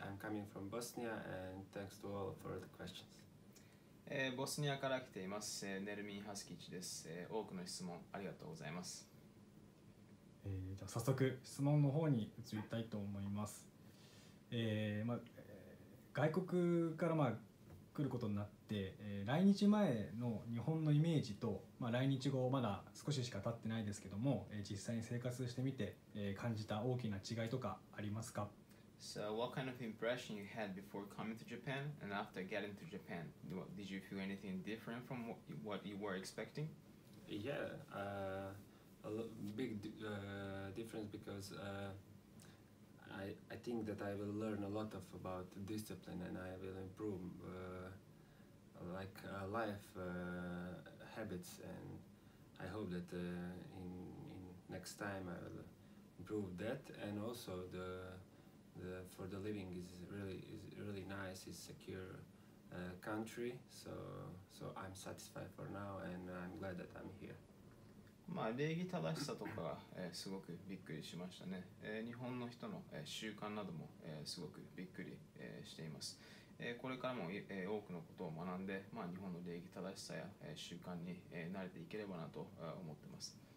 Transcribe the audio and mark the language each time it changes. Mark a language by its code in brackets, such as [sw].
[en] I'm coming from Bosnia and thanks to all for the questions. [ja] ボスニアから来ています。 Nermin Haskić です。多くの質問ありがとうございます。じゃあ早速質問の方に移りたいと思います。まあ、外国からまあ来ることになって、来日前の日本のイメージと、まあ、来日後まだ少ししか経ってないですけども、実際に生活してみて、感じた大きな違いとかありますか？ [en] So what kind of impression you had before coming to Japan and after getting to Japan? Did you feel anything different from what you were expecting? Yeah, A big difference because I think that I will learn a lot of about discipline and I will improve life habits, and I hope that in next time I will improve that. And also the for the living is really nice, it's secure country, so I'm satisfied for now and I'm glad that I'm here. [ja] まあ、礼儀正しさとか、すごくびっくりしましたね。日本の人の、習慣なども、すごくびっくり、しています。これからも、多くのことを学んで、まあ、日本の礼儀正しさや、習慣に、慣れていければなと思っています。